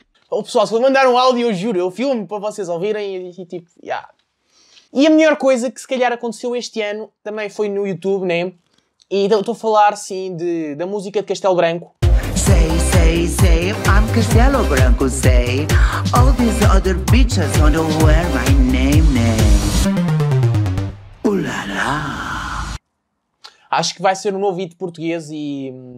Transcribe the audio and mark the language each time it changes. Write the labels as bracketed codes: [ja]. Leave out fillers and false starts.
[pt] O pessoal, se eu mandar um áudio, eu juro, eu filmo para vocês ouvirem e tipo, já. Yeah. E a melhor coisa que se calhar aconteceu este ano também foi no YouTube, né? E estou a falar, sim, da música de Castelo Branco. Sei, sei, sei, I'm Castelo Branco, sei. [en] All these other bitches don't wear my name, name. Ulala. [pt] Acho que vai ser um novo hit português e...